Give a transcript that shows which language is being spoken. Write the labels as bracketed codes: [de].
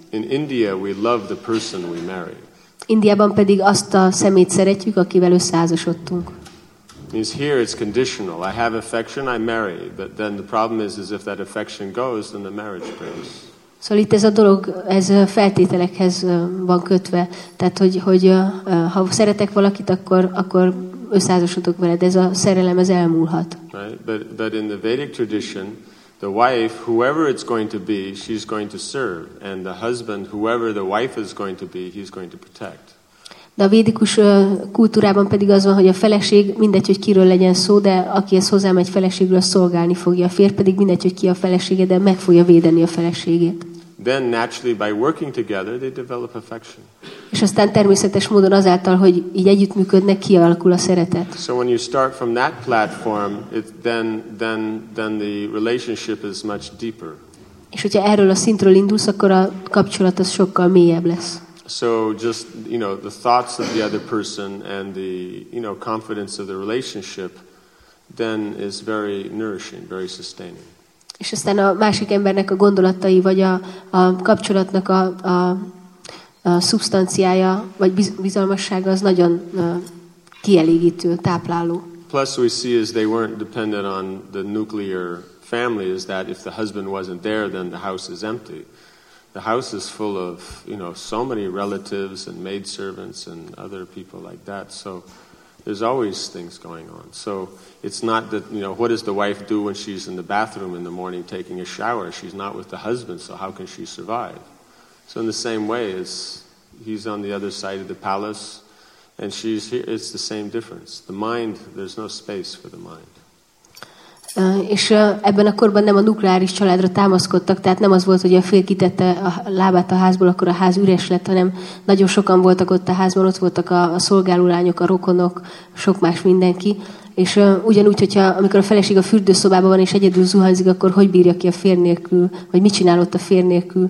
[en] In India, we love the person we marry. [hu] Indiában pedig azt a szemét szeretjük, akivel összeházasodtunk. [en] Means here it's conditional. I have affection, I marry. But then the problem is if that affection goes, then the marriage breaks. [hu] Szóval itt ez a dolog, ez feltételekhez van kötve. Tehát, hogy ha szeretek valakit, akkor összeházasodok vele, de ez a szerelem, ez elmúlhat. [en] Right? But in the Vedic tradition, the wife, whoever it's going to be, she's going to serve. And the husband, whoever the wife is going to be, he's going to protect. [hu] De a védikus kultúrában pedig az van, hogy a feleség, mindegy, hogy kiről legyen szó, de aki ez hozzám egy feleségről, szolgálni fogja. A férj pedig mindegy, hogy ki a felesége, de meg fogja védeni a feleségét. [en] Then naturally by working together they develop affection. [hu] És aztán természetes módon azáltal, hogy így együttműködnek, kialakul a szeretet. [en] So when you start from that platform, then the relationship is much deeper. [hu] És hogyha erről a szintről indulsz, akkor a kapcsolat az sokkal mélyebb lesz. [en] So just, you know, the thoughts of the other person and the, you know, confidence of the relationship then is very nourishing, very sustaining. [hu] És aztán a másik embernek a gondolatai, vagy a kapcsolatnak a szubstanciája, vagy bizalmassága, az nagyon kielégítő, tápláló. [en] Plus we see is they weren't dependent on the nuclear family, is that if the husband wasn't there, then the house is empty. The house is full of, you know, so many relatives and maidservants and other people like that, so there's always things going on. So it's not that, you know, what does the wife do when she's in the bathroom in the morning taking a shower? She's not with the husband, so how can she survive? So in the same way, as he's on the other side of the palace and she's here, it's the same difference. The mind, there's no space for the mind. [hu] És ebben a korban nem a nukleáris családra támaszkodtak, tehát nem az volt, hogy a fél kitette a lábát a házból, akkor a ház üres lett, hanem nagyon sokan voltak ott a házban, ott voltak a szolgálólányok, a rokonok, sok más mindenki. És ugyanúgy, hogyha amikor a feleség a fürdőszobában van és egyedül zuhanyzik, akkor hogy bírja ki a férj nélkül, vagy mit csinál ott a férj nélkül?